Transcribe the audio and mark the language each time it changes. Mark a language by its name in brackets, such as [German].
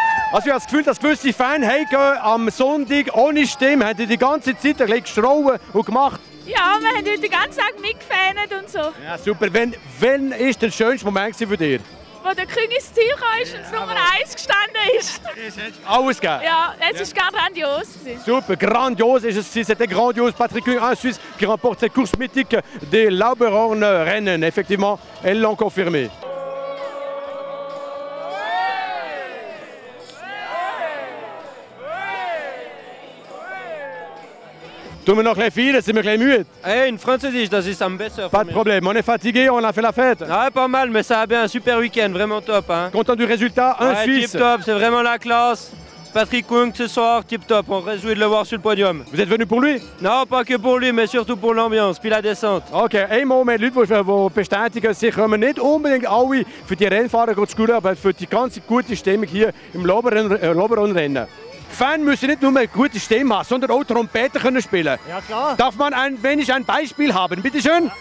[German] Also ich habe das Gefühl, dass gewisse Fans heimgehen am Sonntag ohne Stimme. Haben die ganze Zeit ein bisschen gestrauen und gemacht? Ja, wir haben heute den ganzen Tag mitgefanet und so. Ja, super. Wann war der schönste Moment für dich? Wo der König ins Ziel kam und das Nummer 1 gestanden ist. Alles gegeben? Ja, es ist grandios. Super, grandios ist es. [French] C'était grandios. Patrick König en Suisse qui remporte cette course mythique des Lauberhorn Rennen. Effectivement, elles l'ont confirmé. [German] Tun wir noch ein bisschen feiern, sind wir ein bisschen müde. Hey, in Französisch, das ist am besten. [French] Pas de problème, on est fatigué, on a fait la fête. Ah, pas mal, mais ça a bien, super week-end, vraiment top. Hein. Content du résultat, un ouais, Suisse. Tip top, c'est vraiment la classe. Patrick Kung ce soir, tip top, on réjouit de le voir sur le podium. Vous êtes venu pour lui? Non, pas que pour lui, mais surtout pour l'ambiance, puis la descente. [German] Ok, ein Moment, Leute, die bestätigen, sie kommen nicht unbedingt alle für die Rennfahrer zu schauen, aber für die ganze gute Stimmung hier im Lauberhorn-Rennen. Fans müssen nicht nur eine gute Stimme haben, sondern auch Trompete können spielen. Ja klar. Darf man ein wenig ein Beispiel haben? Bitte schön.